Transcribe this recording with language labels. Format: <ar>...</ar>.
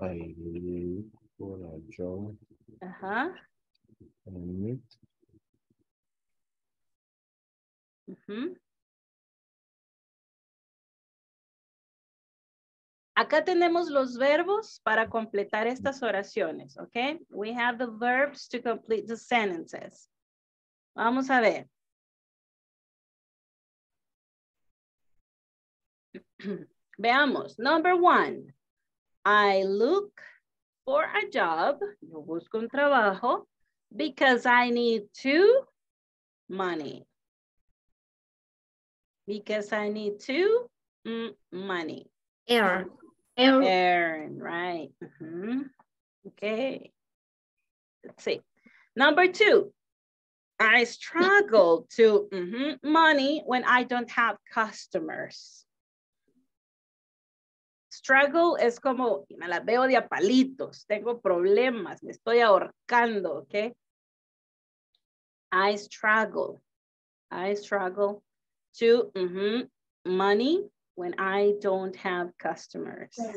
<en>I need for a job. Uh-huh. I need. Uh-huh.</en> <es>Acá tenemos los verbos para completar estas oraciones, okay?</es> <en>We have the verbs to complete the sentences.</en> <es>Vamos a ver. Veamos.</es> <en>Number one. I look for a job.</en> <es>Yo busco un trabajo.</es> <en>Because I need two money. Because I need two money. Error. Error, right. Mm-hmm. Okay. Let's see. Number two. I struggle to money when I don't have customers.</en> <es>Struggle es como, me la veo de a palitos, tengo problemas, me estoy ahorcando, okay?</es> <en>I struggle to money when I don't have customers.</en>